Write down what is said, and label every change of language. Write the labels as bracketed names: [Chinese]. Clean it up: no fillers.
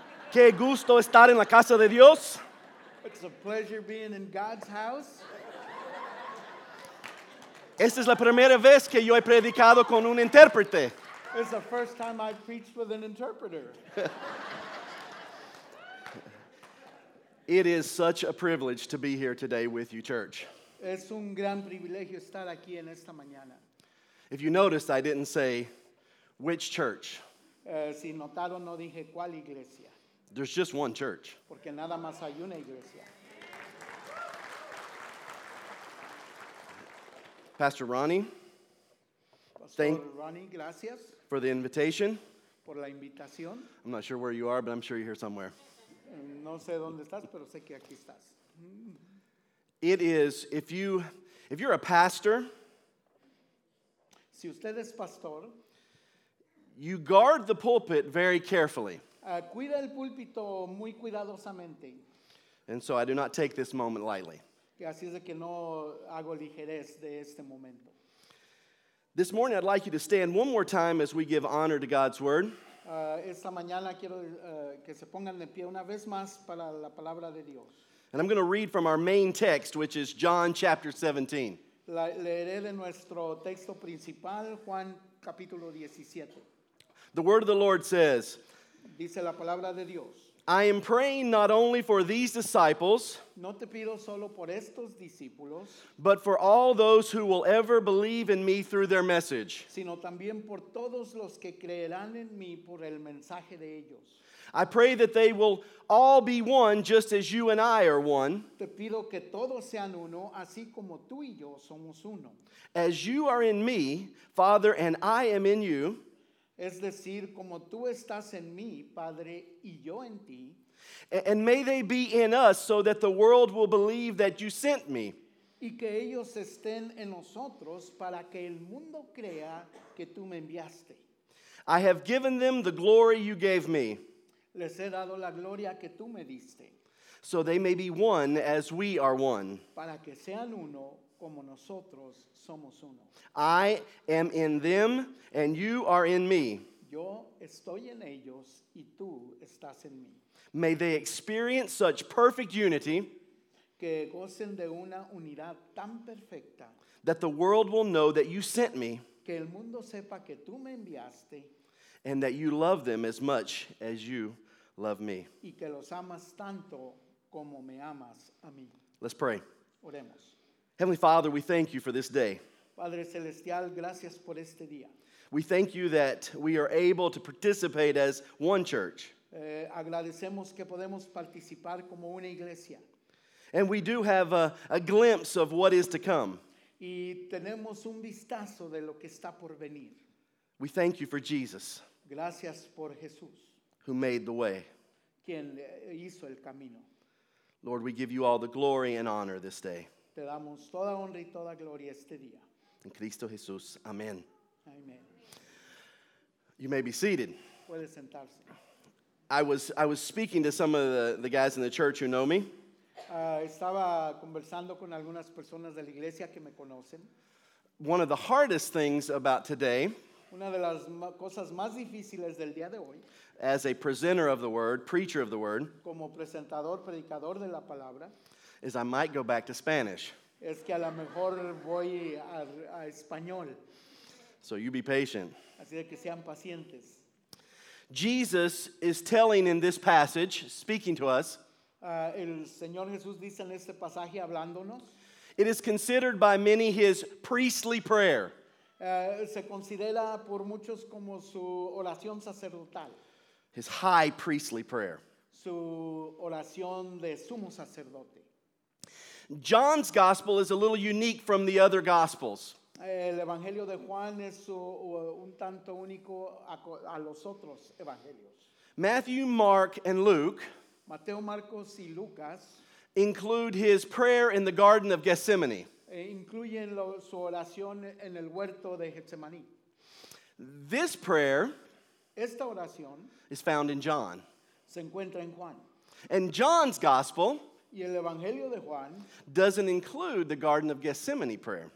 [Spanish] Qué gusto estar en la casa de Dios. [English] It's a pleasure being in God's house. [Spanish] Esta es la primera vez que yo he predicado con un intérprete. [English] It's the first time I preached with an interpreter. It is such a privilege to be here today with you, church. [Spanish] Es un gran privilegio estar aquí en esta mañana. [English] If you noticed, I didn't say which church? [Spanish] Si notaron, no dije cuál iglesia. [English] There's just one church. [Spanish] Porque nada más hay una iglesia. [English] Pastor Ronnie. Pastor thank Ronnie, gracias. For the invitation. [Spanish] Por la invitación. [English] I'm not sure where you are, but I'm sure you're here somewhere. [Spanish] No sé dónde estás, pero sé que aquí estás. [English] It is, if you're a pastor. [Spanish] Si usted es pastor. [English] You guard the pulpit very carefully. [Spanish] Cuida el púlpito muy cuidadosamente. [English] And so I do not take this moment lightly. [Spanish] Así es que no hago ligerez de este momento. [English] This morning I'd like you to stand one more time as we give honor to God's word. [Spanish] Esta mañana quiero que se pongan de pie una vez más para la palabra de Dios. [English] And I'm going to read from our main text, which is John chapter 17. [Spanish] Leeré de nuestro texto principal, Juan capítulo 17. [English] The word of the Lord says, [Spanish] dice la palabra de Dios, [English] I am praying not only for these disciples, [Spanish] no te pido solo por estos discípulos, [English] but for all those who will ever believe in me through their message. [Spanish] Sino también por todos los que creerán en mí por el mensaje de ellos. [English] I pray that they will all be one just as you and I are one. [Spanish] Te pido que todos sean uno, así como tú y yo somos uno. [English] As you are in me, Father, and I am in you, [Spanish] es decir, como tú estás en mí, Padre, y yo en ti. [English] And may they be in us so that the world will believe that you sent me. [Spanish] Y que ellos estén en nosotros para que el mundo crea que tú me enviaste. [English] I have given them the glory you gave me. [Spanish] Les he dado la gloria que tú me diste. [English] So they may be one as we are one. [Spanish] Para que sean uno. Como nosotros somos uno. [English] I am in them and you are in me. [Spanish] Yo estoy en ellos y tú estás en mí. [English] May they experience such perfect unity [Spanish] que gocen de una unidad tan perfecta [English] that the world will know that you sent me, [Spanish] que el mundo sepa que tú me enviaste, [English] and that you love them as much as you love me. [Spanish] Y que los amas tanto como me amas a mí. [English] Let's pray. [Spanish] Oremos. [English] Heavenly Father, we thank you for this day. [Spanish] Padre Celestial, gracias por este día. [English] We thank you that we are able to participate as one church. [Spanish] Agradecemos que podemos participar como una iglesia. [English] And we do have a glimpse of what is to come. [Spanish] Y tenemos un vistazo de lo que está por venir. [English] We thank you for Jesus. [Spanish] Gracias por Jesús. [English] Who made the way. [Spanish] Quien hizo el camino. [English] Lord, we give you all the glory and honor this day. [Spanish] Te damos toda honra y toda gloria este día. En Cristo Jesús. Amén. [English] Amen. You may be seated. [Spanish] Puede sentarse. [English] I was speaking to some of the guys in the church who know me. [Spanish] Estaba conversando con algunas personas de la iglesia que me conocen. [English] One of the hardest things about today. [Spanish] Una de las cosas más difíciles del día de hoy. [English] As a presenter of the word, preacher of the word. [Spanish] Como presentador, predicador de la palabra. [English] Is I might go back to Spanish. [Spanish] Es que a lo mejor voy a español. [English] So you be patient. [Spanish] Así de que sean pacientes. [English] Jesus is telling in this passage, speaking to us. [Spanish] El Señor Jesús dice en este pasaje hablándonos. [English] It is considered by many his priestly prayer. [Spanish] Se considera por muchos como su oración sacerdotal. [English] His high priestly prayer. [Spanish] Su oración de sumo sacerdote. [English] John's gospel is a little unique from the other gospels. [Spanish] El evangelio de Juan es un tanto único a los otros evangelios. [English] Matthew, Mark, and Luke. [Spanish] Mateo, Marcos, y Lucas. [English] Include his prayer in the Garden of Gethsemane. [Spanish] Incluyen lo, su oración en el huerto de Getsemaní. [English] This prayer. [Spanish] Esta oración. [English] Is found in John. [Spanish] Se encuentra en Juan. [English] And John's gospel. [Spanish] Y el Evangelio de Juan [English] doesn't include the Garden of Gethsemane prayer.